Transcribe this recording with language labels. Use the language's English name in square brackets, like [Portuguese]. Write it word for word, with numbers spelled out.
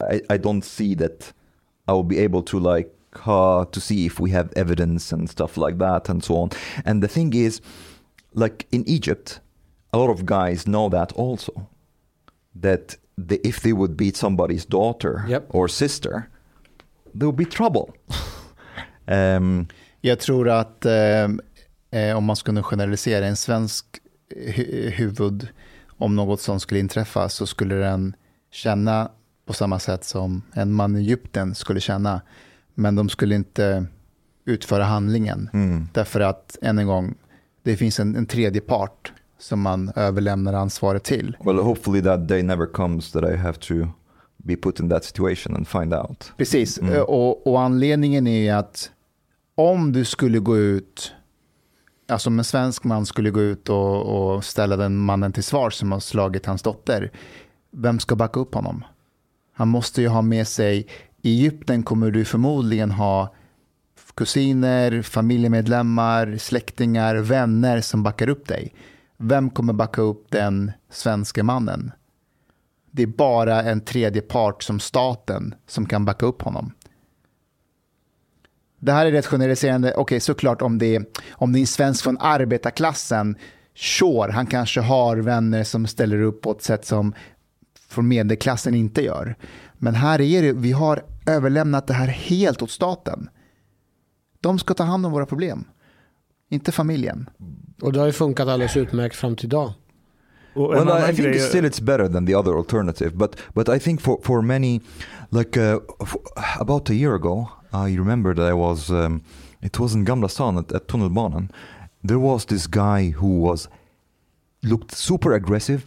[English] I, I don't see that I will be able to like uh, to see if we have evidence and stuff like that and so on. And the thing is, like in Egypt, a lot of guys know that also that they, if they would beat somebody's daughter yep. or sister, there would be trouble. [Swedish] um, Jag tror att eh, om man skulle generalisera en svensk huvud om något som skulle inträffa så skulle den känna på samma sätt som en man i Egypten skulle känna, men de skulle inte utföra handlingen mm. därför att än en gång det finns en, en tredje part som man överlämnar ansvaret till. [English] Well, hopefully that day never comes that I have to be put in that situation and find out. [Swedish] Precis, mm. och, och anledningen är att om du skulle gå ut, alltså om en svensk man skulle gå ut och, och ställa den mannen till svar som har slagit hans dotter, vem ska backa upp honom? Han måste ju ha med sig, i Egypten kommer du förmodligen ha kusiner, familjemedlemmar, släktingar, vänner som backar upp dig. Vem kommer backa upp den svenska mannen? Det är bara en tredje part som staten som kan backa upp honom. Det här är rätt generaliserande. Okej, okay, såklart om det, om det är en svensk från arbetarklassen, sure, han kanske har vänner som ställer upp på ett sätt som från medelklassen inte gör. Men här är det, vi har överlämnat det här helt åt staten. De ska ta hand om våra problem. Inte familjen. Och det har ju funkat alldeles utmärkt fram till idag. [English] Well, I think it's still it's better than the other alternative, but but I think for for many, like uh, for, about a year ago, I remember that I was um, it was in Gamla stan at, at tunnelbanan. There was this guy who was looked super aggressive.